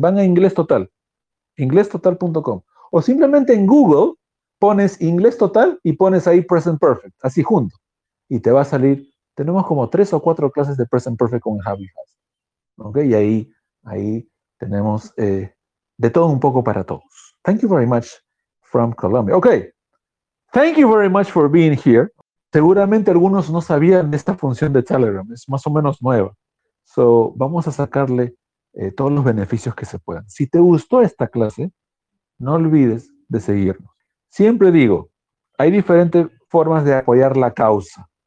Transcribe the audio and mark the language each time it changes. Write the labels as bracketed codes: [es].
[es] Van a Inglés Total, inglestotal.com, o simplemente en Google pones Inglés Total y pones ahí Present Perfect, así junto, y te va a salir, tenemos como 3 o 4 clases de Present Perfect con Javi Haas, ¿ok? Y ahí tenemos de todo un poco para todos. [en] Thank you very much from Colombia. Ok, thank you very much for being here. [es] Seguramente algunos no sabían esta función de Telegram, es más o menos nueva. So, vamos a sacarle todos los beneficios que se puedan. Si te gustó esta clase, no olvides de seguirnos. Siempre digo, hay diferentes formas de apoyar la causa.